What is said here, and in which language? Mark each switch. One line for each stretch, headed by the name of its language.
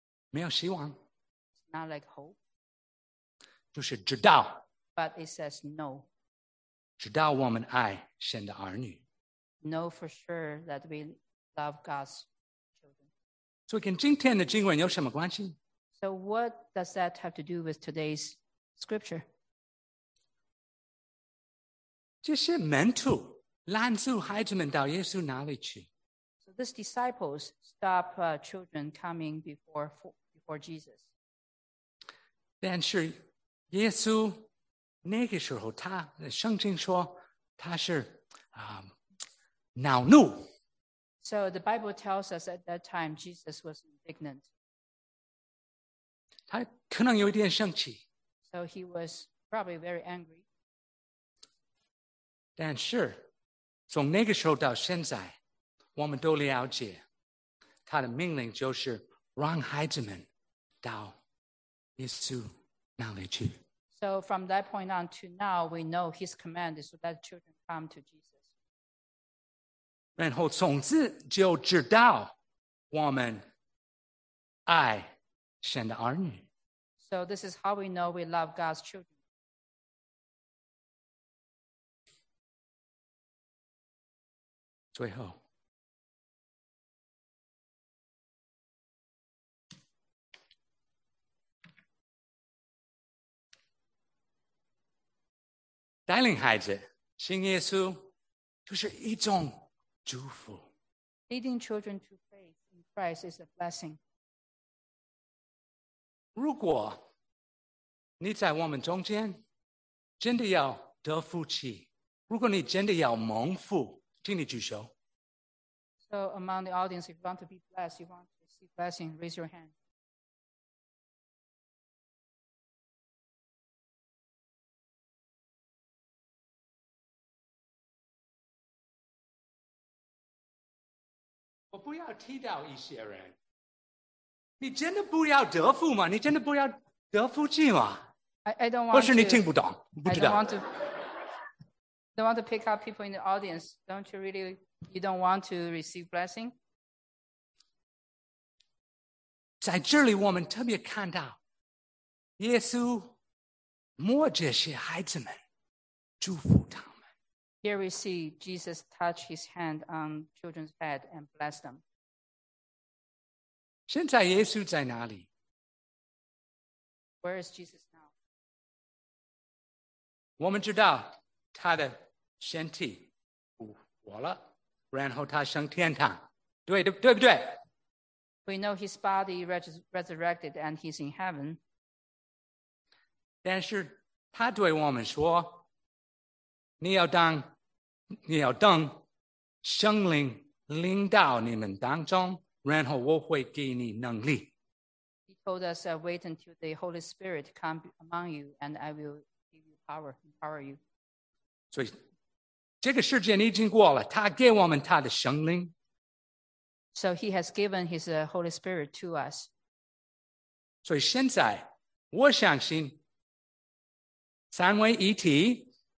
Chinese: 没有希望。
English: It's not like hope.
Chinese: 就是知道。
English: But it says no.
Chinese: 知道我们爱神的儿女。
English: Know for sure that we love God's children.
Chinese: 所以跟今天的经文有什么关系？
English: So what does that have to do with today's scripture?
Chinese: 这些门徒拦住孩子们到耶稣哪里去
English: ？So these disciples stop children coming before Jesus.
Chinese: 但是耶稣那个时候他，他圣经说他是恼怒。
English: So the Bible tells us at that time Jesus was indignant.
Chinese: 他可能有一点生气。
English: So he was probably very angry.
Chinese: 但是从那个时候到现在我们都了解他的命令就是让孩子们到耶稣那里去。
English: So from that point on to now, we know his command is to let children come to Jesus.
Chinese: 然后从此就知道我们爱神的儿女。
English: So this is how we know we love God's children.
Chinese: 最后，带领孩子信耶稣就是一种祝福。
English: Leading children to faith in Christ is a blessing.
Chinese: 如果你在我们中间真的要得福气，如果你真的要蒙福，请你举手。
English: So among the audience, if you want to be blessed, you want to receive blessing, raise your hand.
Chinese: 我不要踢到一些人。你真的不要得福吗？你真的不要得福气吗？
English: I don't want.
Chinese: 不是你听不懂，不知道。
English: Don't want to pick up people in the audience. Don't you really, you don't want to receive blessing?
Chinese: 在这里我们特别看到耶稣摸这些孩子们祝福他们。
English: Here we see Jesus touch his hand on children's head and bless them.
Chinese: 现在耶稣在哪里？
English: Where is Jesus now?
Chinese: 我们知道他的身体复活了，然后他升天堂，对不对？
English: We know his body resurrected and he's in heaven.
Chinese: 但是他对我们说，你要等圣灵临到你们当中，然后我会给你能力。
English: He told us, wait until the Holy Spirit come among you and I will give you power, empower you.
Chinese: 所以这个时间已经过了，他给我们他的圣灵。
English: So he has given his Holy Spirit to us.
Chinese: 所以现在我相信三位一体